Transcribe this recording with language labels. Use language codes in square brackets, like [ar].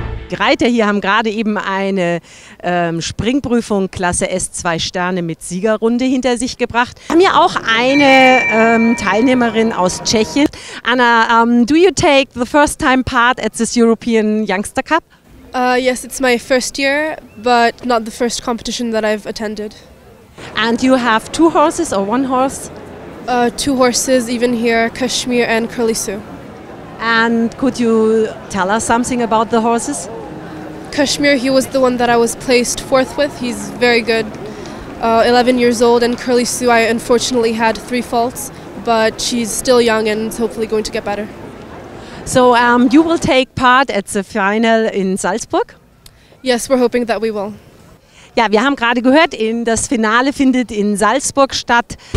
[de] Reiter hier haben gerade eben eine Springprüfung Klasse S 2 Sterne mit Siegerrunde hinter sich gebracht. Wir haben ja auch eine Teilnehmerin aus Tschechien. [en] Anna, do you take the first time part at this European Youngster Cup? Yes, it's my first year, but not the first competition that I've attended. And you have two horses or one horse? Two horses, even here, Kashmir and Curly Sue. And could you tell us something about the horses? Kashmir, he was the one that I was placed fourth with. He's very good, 11 years old. And Curly Sue, I unfortunately had three faults, but she's still young and is hopefully going to get better. So you will take part at the final in Salzburg? Yes, we're hoping that we will. [de] Ja, wir haben gerade gehört, das Finale findet in Salzburg statt.